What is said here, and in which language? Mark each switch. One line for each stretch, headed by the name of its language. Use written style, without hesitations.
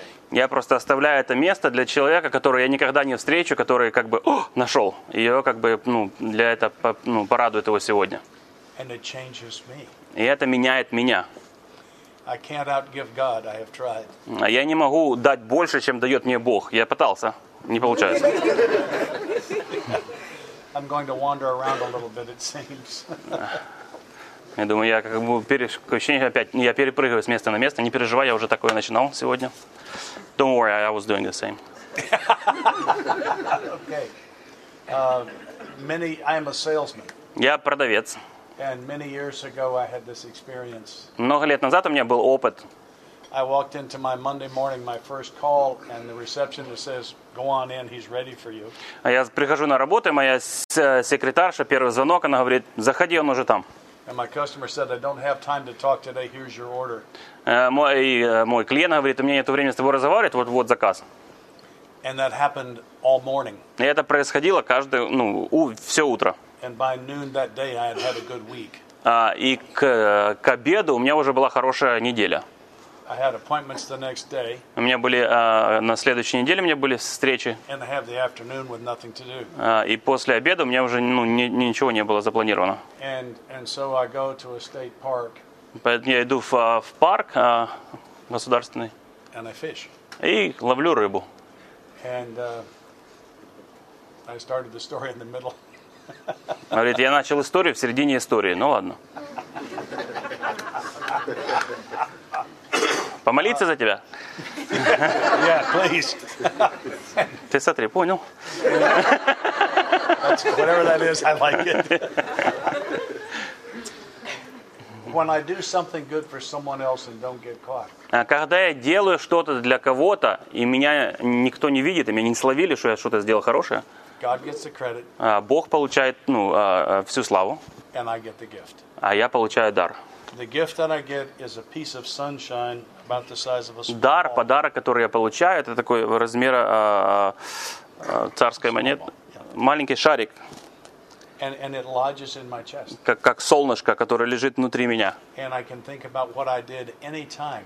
Russian: Я просто оставляю это место для человека, которого я никогда не встречу, который как бы нашел. И его как бы для этого порадует его сегодня.
English: And it changes me.
Russian: И это меняет меня.
English: I can't outgive God. I have tried.
Russian: Я не могу дать больше, чем дает мне Бог. Я пытался, не получается.
English: I'm going to wander around a little bit, it seems.
Russian: Я думаю, я как бы я перепрыгиваю с места на место. Не переживай, я уже такое начинал сегодня.
English: Don't worry, I was doing the same. Okay. I am a salesman.
Russian: Я продавец.
English: And many years ago I had this experience.
Russian: Много лет назад у меня был опыт.
English: I walked into my Monday morning, my first call, and the receptionist says, "Go on in, he's ready for you."
Russian: А я прихожу на работу, моя секретарша, первый звонок, она говорит: "Заходи, он уже там."
English: And my customer said, "I don't have time to talk today, here's your order."
Russian: Мой клиент говорит: "У меня нет времени с тобой разговаривать, вот заказ."
English: And that happened all morning.
Russian: И это происходило каждое, все утро.
English: And by noon that day I had had a good week.
Russian: И к обеду у меня уже была хорошая неделя.
English: I had appointments the next day.
Russian: У меня были на следующей неделе у меня были встречи.
English: And I have the afternoon with nothing to do.
Russian: И после обеда у меня уже ничего не было запланировано.
English: And so I go to a state park.
Russian: Поэтому я иду в парк государственный.
English: And I fish.
Russian: И ловлю рыбу.
English: And I started the story in the middle.
Russian: Говорит, я начал историю в середине истории. Ну ладно. Помолиться за тебя?
English: Yeah, please.
Russian: Ты смотри, понял?
English: Whatever that is, I like it. When I do something good for someone else and don't get caught.
Russian: Когда я делаю что-то для кого-то, и меня никто не видит, и меня не словили, что я что-то сделал хорошее,
English: God gets the credit,
Russian: Бог получает всю славу,
English: and I get the gift.
Russian: А я получаю дар.
English: The gift that I get is a piece of sunshine about the size of a
Russian: small дар, подарок, который я получаю, это такой размера царской монеты, маленький шарик.
English: And it lodges in my chest.
Russian: Как солнышко, которое лежит внутри меня.
English: And I can think about what I did anytime.